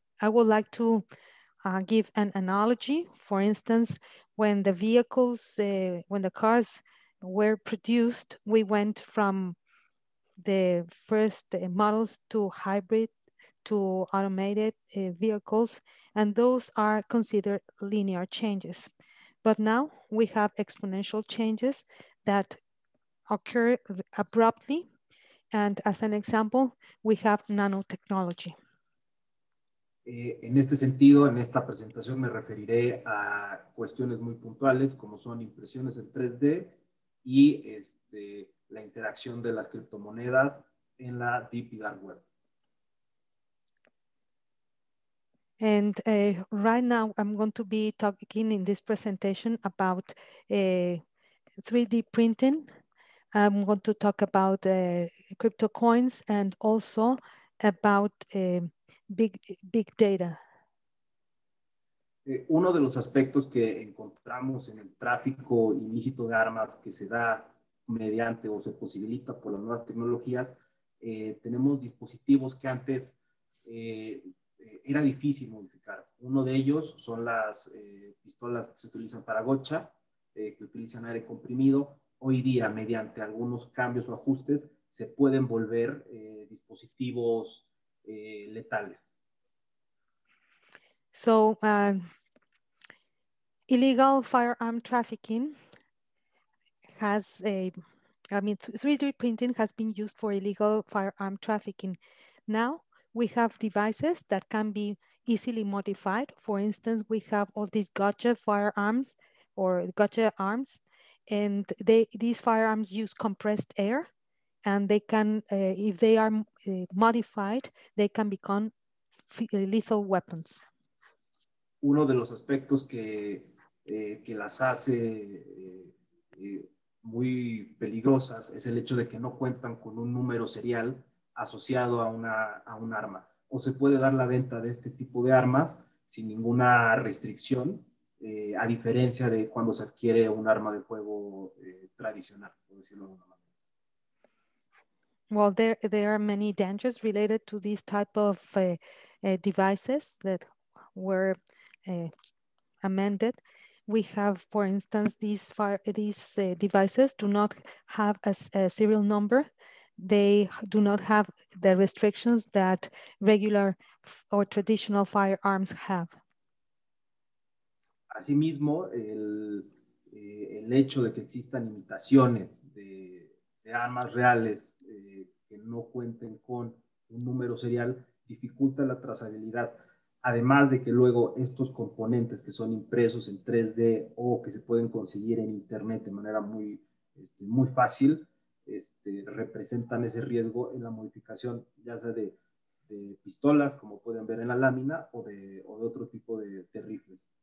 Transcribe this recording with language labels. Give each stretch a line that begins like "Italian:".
English: I would like to give an analogy. For instance, when the vehicles, when the cars were produced, we went from the first models to hybrid to automated vehicles, and those are considered linear changes. But now we have exponential changes that occur abruptly. And as an example, we have nanotechnology.
Spanish: En este sentido, en esta presentación me referiré a cuestiones muy puntuales como son impresiones en 3D y la interacción de las criptomonedas en la Deep Dark Web.
English: And right now, I'm going to be talking in this presentation about 3D printing. I'm going to talk about crypto coins and also about big data.
Spanish: Uno de los aspectos que encontramos en el tráfico ilícito de armas que se da mediante o se posibilita por las nuevas tecnologías, tenemos dispositivos que antes era difícil modificar. Uno de ellos son las pistolas que se utilizan para gotcha, que utilizan aire comprimido. Hoy día, mediante algunos cambios o ajustes, se pueden volver dispositivos letales.
English: So, illegal firearm trafficking has a, I mean, 3D printing has been used for illegal firearm trafficking. Now, we have devices that can be easily modified. For instance, we have all these gotcha firearms or gotcha arms, and they these firearms use compressed air, and they can, if they are modified, they can become lethal weapons.
Spanish: Uno de los aspectos que las hace muy peligrosas es el hecho de que no cuentan con un número serial asociado a un arma. O se puede dar la venta de este tipo de armas sin ninguna restricción, a diferencia de cuando se adquiere un arma de fuego tradicional, por decirlo de alguna manera.
English: Well, there are many dangers related to this type of devices that were amended. We have, for instance, these devices do not have a serial number. They do not have the restrictions that regular or traditional firearms have.
Spanish: Asimismo, el hecho de que existan imitaciones de armas reales que no cuenten con un número serial dificulta la trazabilidad. Además de que luego estos componentes que son impresos en 3D o que se pueden conseguir en internet de manera muy, muy fácil, representan ese riesgo en la modificación, ya sea de pistolas, como pueden ver en la lámina, o de otro tipo de rifles.